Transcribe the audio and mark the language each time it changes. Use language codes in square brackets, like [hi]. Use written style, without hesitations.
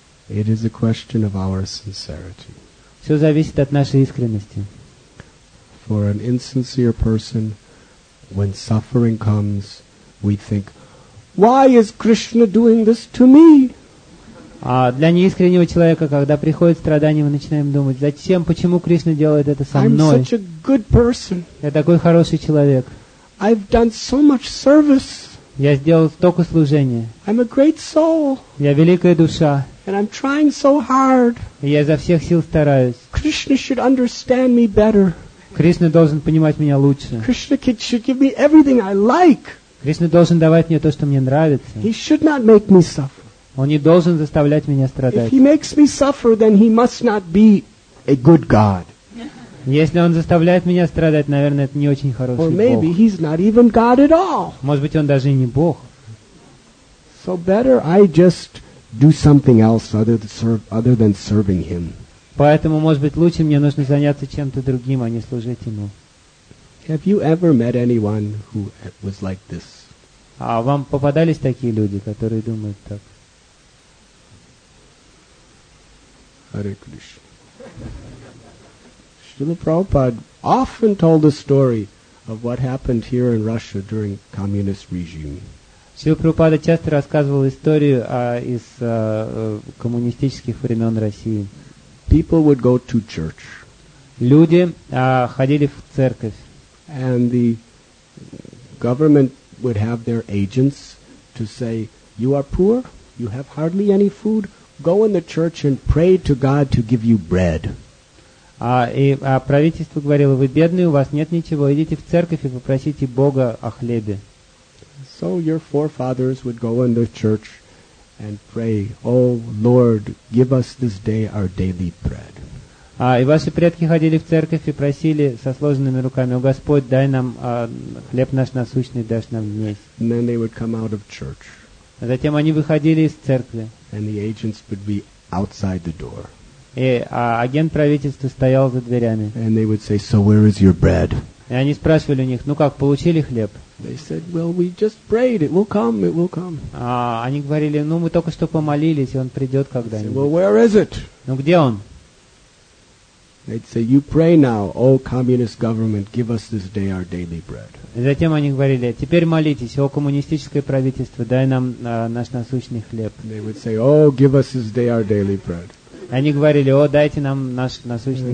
[en] It is a question of our sincerity. [ru] Все зависит от нашей искренности. [en] For an insincere person, when suffering comes, we think, why is Krishna doing this to me? [ru] А для неискреннего человека, когда приходит страдание, мы начинаем думать, зачем, почему Кришна делает это со мной? [en] I'm such a good person. [ru] Я такой хороший человек. [en] I've done so much service. [ru] Я сделал столько служения. [en] I'm a great soul. [ru] Я великая душа. [en] And I'm trying so hard. [ru] И я изо всех сил стараюсь. [en] Krishna should understand me better. [ru] Кришна должен понимать меня лучше. [en] Krishna should give me everything I like. [ru] Кришна должен давать мне то, что мне нравится. [en] He should not make me suffer. [ru] Он не должен заставлять меня страдать. [en] If he makes me suffer, then he must not be a good God. [ru] Если он заставляет меня страдать, наверное, это не очень хороший Бог. [en] Or maybe he's not even God at all. [ru] Может быть, он даже и не Бог. [en] So better I just do something else other than serving him. [ru] Поэтому, может быть, лучше мне нужно заняться чем-то другим, а не служить ему. [en] Have you ever met anyone who was like this? [ru] А вам попадались такие люди, которые думают так? [sa] Hare Krishna. [en] Srila Prabhupada often told the story of what happened here in Russia during communist regime. [ru] Srila Prabhupada часто рассказывал историю из коммунистических времен России. [en] People would go to church. [ru] Люди ходили в церковь. [en] And the government would have their agents to say, "You are poor. You have hardly any food. Go in the church and pray to God to give you bread." [ru] А правительство говорило: "Вы бедные, у вас нет ничего. Идите в церковь и попросите Бога о хлебе." [en] So your forefathers would go in the church and pray, "Oh Lord, give us this day our daily bread." [ru] И ваши предки ходили в церковь и просили со сложенными руками: "О Господь, дай нам хлеб наш насущный, дай нам есть." [en] And then they would come out of church. [ru] Затем они выходили из церкви. [en] And the agents would be outside the door. [ru] И агент правительства стоял за дверями. [en] And they would say, "So where is your bread?" [ru] И они спрашивали у них: "Ну как, получили хлеб?" [en] They said, "Well, we just prayed. It will come. It will come." [ru] Они говорили: "Ну мы только что помолились, и он придет когда-нибудь." [en] Well, where is it? [ru] Ну где он? [en] They'd say, "You pray now, O communist government, give us this day our daily bread." [ru] И затем они говорили: "Теперь молитесь, о коммунистическое правительство, дай нам наш насущный хлеб." [en] They would say, "Oh, give us this day our daily bread." [ru] И они говорили: "О, дайте нам наш насущный хлеб."